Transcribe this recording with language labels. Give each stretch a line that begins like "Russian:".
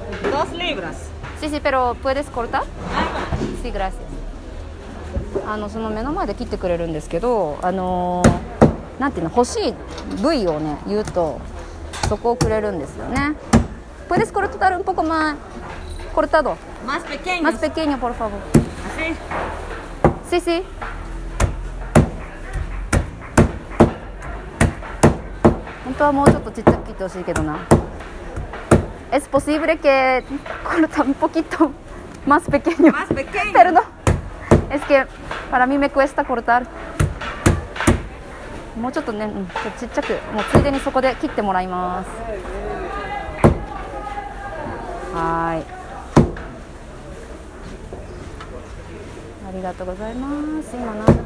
Spanish: Dos libras. Sí, sí, pero puedes cortar? Sí, gracias.
Japanese: あの、その目の前で切ってくれるんですけど、なんていうの、欲しい部位をね、言うと、そこをくれるんですよね。
Spanish: Puedes cortar un poco más cortado? Más pequeño. Más pequeño, por favor. Así. Sí, sí.
Japanese: 本当はもうちょっとちっちゃく切ってほしいけどな。
Spanish: Es posible que corta un poquito más pequeño. Más pequeño. Perdón. Es que para mí me cuesta cortar.
Japanese: もうちょっとね、ちょっとちっちゃく、もうついでにそこで切ってもらいます。はい。ありがとうございます。今な。